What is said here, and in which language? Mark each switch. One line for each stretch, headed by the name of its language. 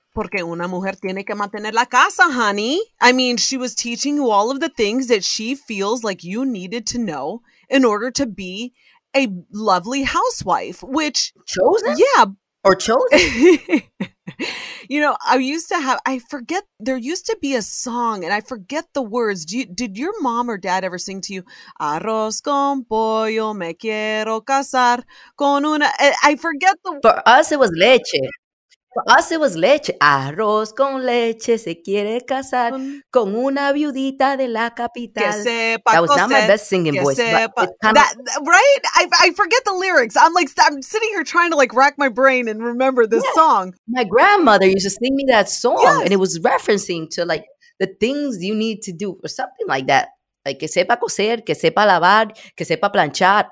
Spanish: Porque una mujer tiene que mantener la casa, honey.
English: I mean, she was teaching you all of the things that she feels like you needed to know in order to be a lovely housewife, which... Chosen? Yeah. Or chosen? You know, there used to be a song, and I forget the words. Did your mom or dad ever sing to you,
Spanish: arroz con pollo, me quiero casar con una...
English: I forget the... For us, it was leche. For us, it was leche.
Spanish: Arroz con leche, se quiere casar con una viudita de la capital. Que sepa,
English: that was not my best singing voice. Right? I forget the lyrics. I'm sitting here trying to like rack my brain and remember this song. My grandmother used to sing me that song, and it was referencing to like the things you need to do or something like that.
Spanish: Like, que sepa coser, que sepa lavar, que sepa planchar.